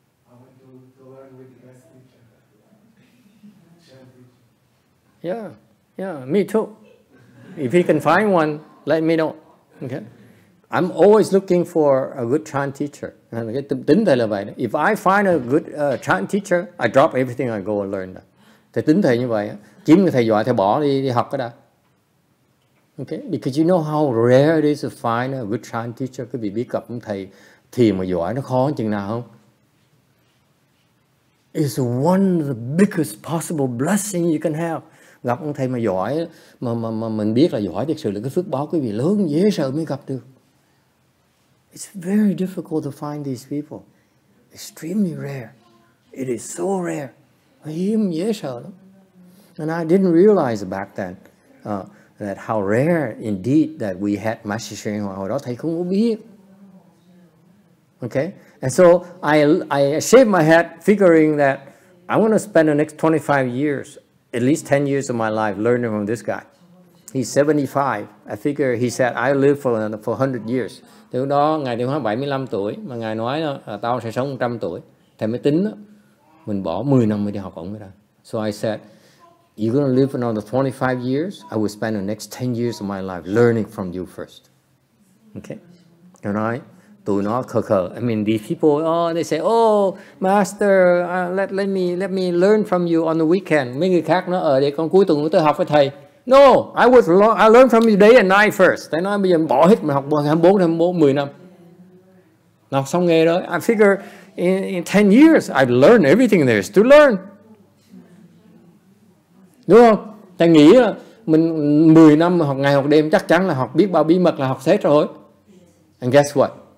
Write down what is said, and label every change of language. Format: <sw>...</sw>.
<en>I want to learn with the best teacher. Yeah, me too. If you can find one, let me know. Okay. I'm always looking for a good Chan teacher. If I find a good Chan teacher, I drop everything and go and learn that.</en> <vi>Thầy tính thầy như vậy, kiếm thầy giỏi thầy bỏ đi học cái đó.</vi> <en>Okay, because you know how rare it is to find a good Chan teacher.</en> <vi>Quý vị biết gặp thầy thiền mà giỏi nó khó chừng nào không?</vi> <en>It's one of the biggest possible blessings you can have.</en> <vi>Gặp ông thầy mà giỏi, mà mình biết là giỏi thật sự là cái phước báo quý vị lớn dễ sợ mới gặp được.</vi> <en>It's very difficult to find these people. Extremely rare. It is so rare.</en> <vi>Hiếm dễ sợ lắm.</vi> <en>And I didn't realize back then that how rare indeed that we had Master XuanHua.</en> <vi>Hồi đó thầy không có biết.</vi> <en>Okay? And so I shaved my head figuring that I'm going to spend the next 25 years, at least 10 years of my life learning from this guy. He's 75. I figure he said I live for 100 years.</en> <vi>Từ đó ngài Thiền Hóa 75 tuổi mà ngài nói là tao sẽ sống 100 tuổi. Thầy mới tính đó, mình bỏ 10 năm mới đi học ổng ra.</vi> <en>So I said, you're going to live for another 25 years, I will spend the next 10 years of my life learning from you first. Okay?</en> <vi>And I tụi nó khờ khờ.</vi> <en>I mean these people, oh, they say, oh, master, let me learn from you on the weekend.</en> <vi>Mấy người khác nó ở đây con cuối tuần tôi học với thầy.</vi> <en>No, I learned from you day and night first.</en> <vi>Thế nói bây giờ bỏ hết mình học 24, 10 năm. Nó học xong nghề rồi.</vi> <en>I figure in 10 years I've learned everything there is to learn.</en> <vi>Đúng không? Thầy nghĩ là mình 10 năm học ngày học đêm chắc chắn là học biết bao bí mật là học hết rồi.</vi> <en>And guess what?</en>